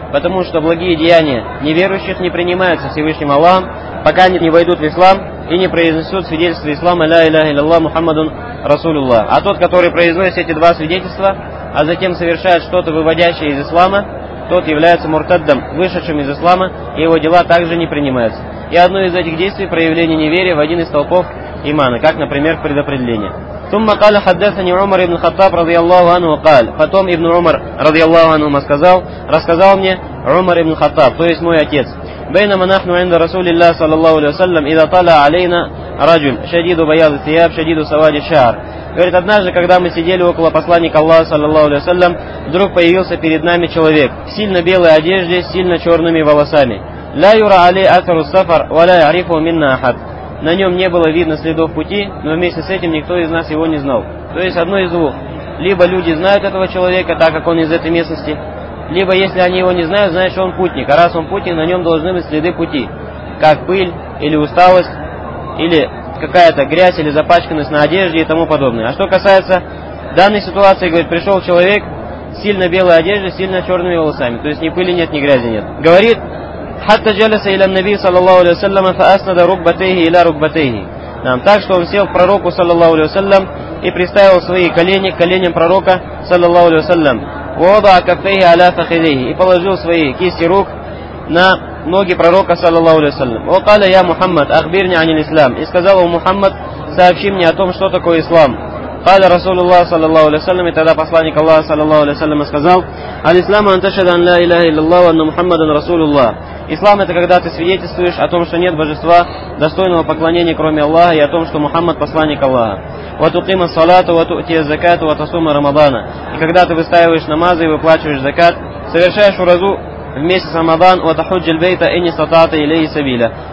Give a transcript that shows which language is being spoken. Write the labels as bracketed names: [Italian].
[Russian] Потому что благие деяния неверующих не принимаются Всевышним Аллахом, пока они не войдут в ислам и не произнесут свидетельство ислама «Ля иляха илляллах Мухаммадун Расулюллах». А тот, который произносит эти два свидетельства, а затем совершает что-то, выводящее из ислама, тот является муртаддом, вышедшим из ислама, и его дела также не принимаются. И одно из этих действий – проявление неверия в один из толпов имана, как, например, предопределение. [Arabic] ثم قال حدثني عمر بن الخطاب رضي الله عنه قال [Russian] потом [Arabic] ابن عمر رضي الله عنه [Russian] рассказал мне [Arabic] عمر بن الخطاب [Russian] то есть мой отец [Arabic] بينما نحن عند رسول الله صلى الله عليه وسلم اذا طلع علينا رجل شديد بياض الثياب شديد سواد الشعر [Russian] говорит однажды когда мы сидели около посланника Аллаха [Arabic] صلى الله عليه وسلم [Russian] вдруг появился перед нами человек в сильно белой одежде с сильно черными волосами [Arabic] لا يرى عليه اثر السفر ولا يعرفه منا احد. [Russian] На нем не было видно следов пути, но вместе с этим никто из нас его не знал. То есть одно из двух. Либо люди знают этого человека, так как он из этой местности, либо если они его не знают, значит он путник. А раз он путник, на нем должны быть следы пути, как пыль или усталость, или какая-то грязь или запачканность на одежде и тому подобное. А что касается данной ситуации, говорит, пришел человек с сильно белой одеждой, сильно черными волосами. То есть ни пыли нет, ни грязи нет. Говорит... [Arabic] حتى جلس إلى النبي صلى الله عليه وسلم فأسند ركبتيه إلى ركبتيه. [Russian] Нам так, что он сел к пророку صلى الله عليه وسلم и приставил свои колени к коленям пророка صلى الله عليه وسلم. [Arabic] ووضع كفيه على فخذيه [Russian] и положил свои кисти рук на ноги пророка صلى الله عليه وسلم. [Arabic] وقال يا محمد أخبرني عن الإسلام. [Russian] И сказал ему Мухаммад, сообщи мне о том, что такое ислам. [Arabic] قال رسول الله صلى الله عليه وسلم [Russian] и тогда посланник Аллаха [Arabic] صلى الله عليه وسلم [Russian] сказал: [Arabic] الإسلام أن تشهد أن لا إله إلا الله وأن محمدا رسول الله. [Russian] Ислам – это когда ты свидетельствуешь о том, что нет божества, достойного поклонения, кроме Аллаха, и о том, что Мухаммад – посланник Аллаха. [Arabic] وَتُقِيمَ الصَّلَاةُ وَتُؤْتِيَ الزَّكَاةُ وَتَصُومَ رَمَضَانَ. [Russian] И когда ты выстаиваешь намазы и выплачиваешь закат, совершаешь уразу в месяц Рамадан, [Arabic] وَتَحُجِّ الْبَيْتَ إِنِّي سَطَعْتَ إِلَيْهِ سَبِيلًا.